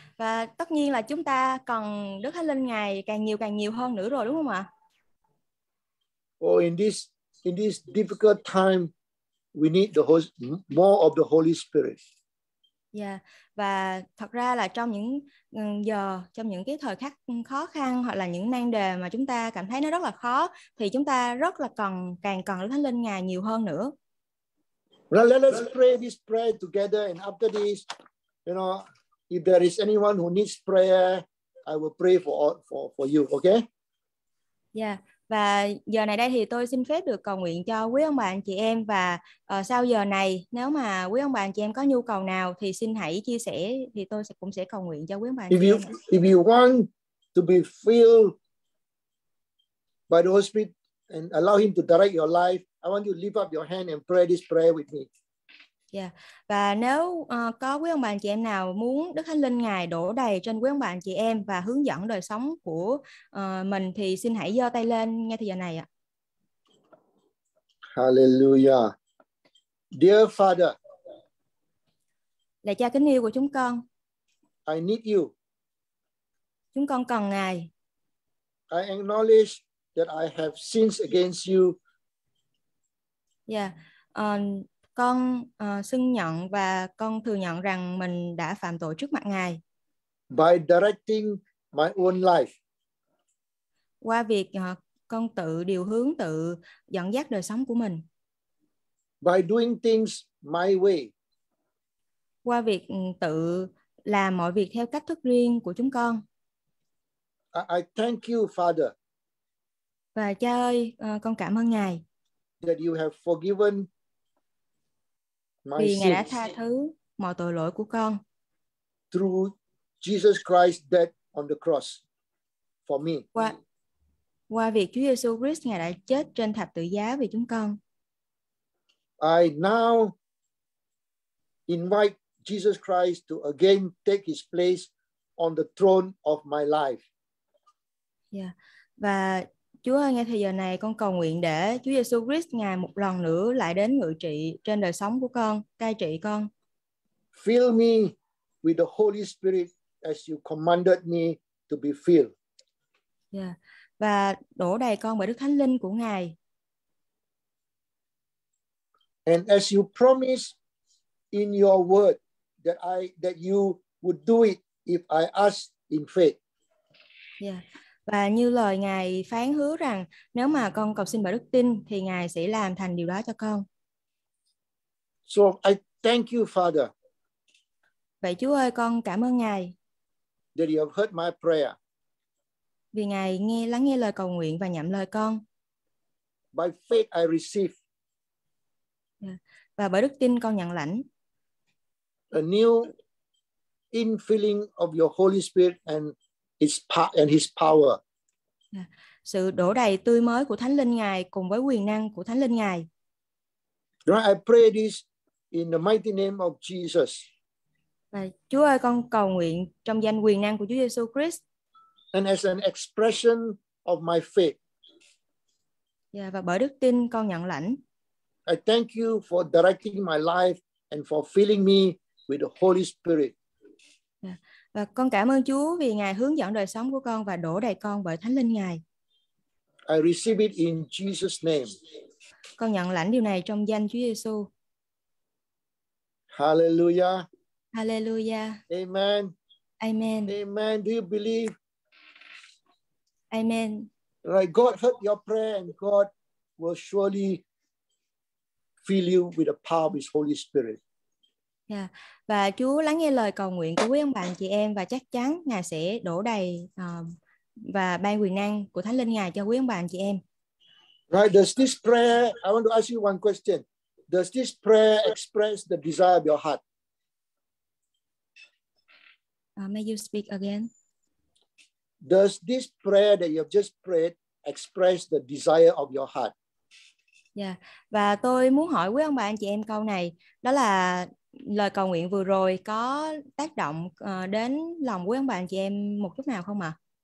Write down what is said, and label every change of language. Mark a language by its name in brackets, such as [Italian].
[Vietnamese] Và tất nhiên là chúng ta cần Đức Thánh Linh ngài càng nhiều hơn nữa rồi, đúng không ạ? [English] Oh, in this difficult time, we need the host, more of the Holy Spirit. Yeah. [Vietnamese] Và thật ra là trong những giờ, trong những cái thời khắc khó khăn hoặc là những nan đề mà chúng ta cảm thấy nó rất là khó, thì chúng ta rất là cần, càng cần Đức Thánh Linh ngài nhiều hơn nữa. [English] Well, let us pray this prayer together, and after this, you know, if there is anyone who needs prayer, I will pray for you, okay? Yeah. [Vietnamese] Và giờ này đây thì tôi xin phép được cầu nguyện cho quý ông bà anh chị em, và sau giờ này nếu mà quý ông bà anh chị em có nhu cầu nào thì xin hãy chia sẻ, thì tôi sẽ cũng sẽ cầu nguyện cho quý ông bà anh chị em. [English] If you want to be filled by the Holy Spirit and allow him to direct your life, I want you to lift up your hand and pray this prayer with me. Yeah. [Vietnamese] Và nếu có quý ông bà anh chị em nào muốn Đức Thánh Linh ngài đổ đầy trên quý ông bà anh chị em và hướng dẫn đời sống của mình thì xin hãy giơ tay lên ngay thời giờ này ạ. [English] Hallelujah. Dear Father. [Vietnamese] Lạy Cha kính yêu của chúng con. [English] I need you. [Vietnamese] Chúng con cần ngài. [English] I acknowledge that I have sins against you. Yeah. [Vietnamese] Con xưng nhận và con thừa nhận rằng mình đã phạm tội trước mặt ngài. [English] By directing my own life. [Vietnamese] Qua việc con tự điều hướng, tự dẫn dắt đời sống của mình. [English] By doing things my way. [Vietnamese] Qua việc tự làm mọi việc theo cách thức riêng của chúng con. [English] I thank you, Father. [Vietnamese] Và Cha ơi, con cảm ơn ngài. [English] That you have forgiven [Vietnamese] vì ngài đã tha thứ mọi tội lỗi của con. [English] Through Jesus Christ's death on the cross for me. [Vietnamese] Qua việc Chúa Giêsu Christ ngài đã chết trên thập tự giá vì chúng con. [English] I now invite Jesus Christ to again take his place on the throne of my life. Yeah. [Vietnamese] Và Chúa ơi, ngay thời giờ này con cầu nguyện để Chúa Giêsu Christ ngài một lần nữa lại đến ngự trị trên đời sống của con, cai trị con. [English] Fill me with the Holy Spirit as you commanded me to be filled. Yeah. [Vietnamese] Và đổ đầy con bởi Đức Thánh Linh của ngài. [English] And as you promised in your word that you would do it if I ask in faith. Yeah. [Vietnamese] Và như lời ngài phán hứa rằng nếu mà con cầu xin bởi đức tin thì ngài sẽ làm thành điều đó cho con. [English] So I thank you, Father. [Vietnamese] Vậy Chúa ơi, con cảm ơn ngài. [English] That you have heard my prayer. [Vietnamese] Vì ngài nghe lắng nghe lời cầu nguyện và nhậm lời con. [English] By faith I receive. [Vietnamese] Và bởi đức tin con nhận lãnh. [English] A new infilling of your Holy Spirit and His power. [Vietnamese] sự đổ đầy tươi mới của Thánh Linh Ngài cùng với quyền năng của Thánh Linh Ngài. [English] Lord, I pray this in the mighty name of Jesus. [Vietnamese] Và Chúa ơi, con cầu nguyện trong danh quyền năng của Chúa Giêsu Christ. [English] And as an expression of my faith. [Vietnamese] Yeah, và bởi đức tin con nhận lãnh. [English] I thank you for directing my life and for filling me with the Holy Spirit. Yeah. [Vietnamese] Và con cảm ơn Chúa vì Ngài hướng dẫn đời sống của con và đổ đầy con bởi Thánh Linh Ngài. [English] I receive it in Jesus' name. [Vietnamese] Con nhận lãnh điều này trong danh Chúa Giêsu. Hallelujah. Hallelujah. Amen. Amen. [English] Amen. Do you believe? Amen. Right. God heard your prayer and God will surely fill you with the power of His Holy Spirit. Yeah. [Vietnamese] Và Chúa lắng nghe lời cầu nguyện của quý ông bà chị em và chắc chắn Ngài sẽ đổ đầy và ban quyền năng của Thánh Linh Ngài cho quý ông bà chị em. [English] Right. Does this prayer, I want to ask you one question. Does this prayer express the desire of your heart? May you speak again? Does this prayer that you have just prayed express the desire of your heart? Yeah. [Vietnamese] Và tôi muốn hỏi quý ông bà anh chị em câu này, đó là lời cầu nguyện vừa rồi có tác động đến lòng quý ông bà anh chị em một chút nào không ạ?